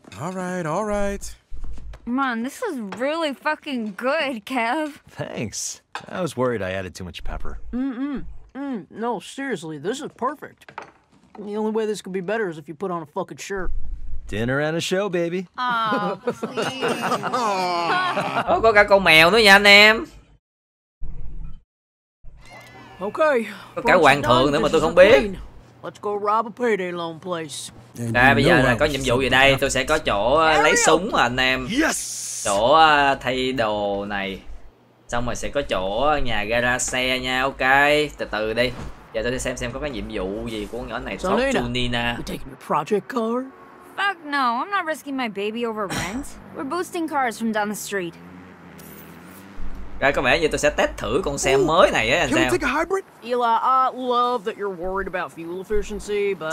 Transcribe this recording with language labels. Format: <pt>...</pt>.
<en>All right, all right. Man, this is really fucking good, Kev. Thanks. I was worried I added too much pepper. No, seriously, this is perfect. The only way this could be better is if you put on a fucking shirt. Dinner and a show, baby. Oh, please.</en> <vi>Oh, có cả con mèo nữa nha anh em.</vi> <en>Okay.</en> <vi>Có cả hoàng thượng nữa mà tôi không biết.</vi> <en>Let's go rob a payday loan place.</en> <vi>À, bây giờ là có nhiệm vụ gì đây? Tôi sẽ có chỗ lấy súng mà anh em.</vi> <en>Yes.</en> <vi>Chỗ thay đồ này. Xong rồi sẽ có chỗ nhà gara xe nha. Ok, từ từ đi. Giờ tôi đi xem có cái nhiệm vụ gì của con nhỏ này.</vi> <en>So Nina, you taking your project car? Fuck no, I'm not risking my baby over rent. We're boosting cars from down the street.</en> <vi>Có vẻ như tôi sẽ test thử con xe mới này á anh em.</vi> <en>Eli, I love that you're worried about fuel efficiency, but</en>